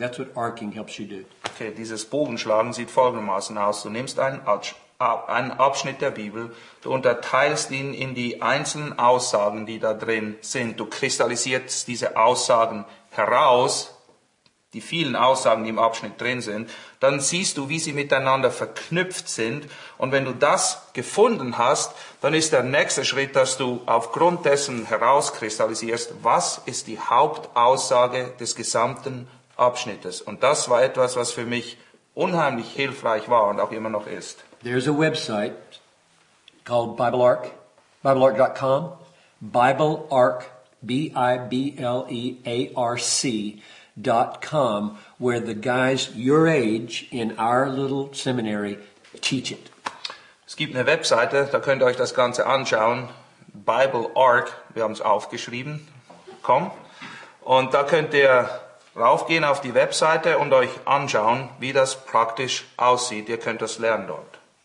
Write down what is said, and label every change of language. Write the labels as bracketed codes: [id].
[en] That's what arcing helps you do. [de] Okay, dieses Bogenschlagen sieht folgendermaßen aus. Du nimmst einen Abschnitt der Bibel, du unterteilst ihn in die einzelnen Aussagen, die da drin sind. Du kristallisierst diese Aussagen heraus, die vielen Aussagen, die im Abschnitt drin sind, dann siehst du, wie sie miteinander verknüpft sind. Und wenn du das gefunden hast, dann ist der nächste Schritt, dass du aufgrund dessen herauskristallisierst, was ist die Hauptaussage des gesamten Abschnittes. Und das war etwas, was für mich unheimlich hilfreich war und auch immer noch ist. [en] There's a website called BibleArk, BibleArk.com, BibleArk, BibleArc. .com, where the guys your age in our little seminary teach it. [de] Es gibt eine Webseite, da könnt ihr euch das Ganze anschauen. BibleArk, wir haben es aufgeschrieben, .com. Und da könnt ihr raufgehen auf die Webseite und euch anschauen, wie das praktisch aussieht. Ihr könnt das lernen dort.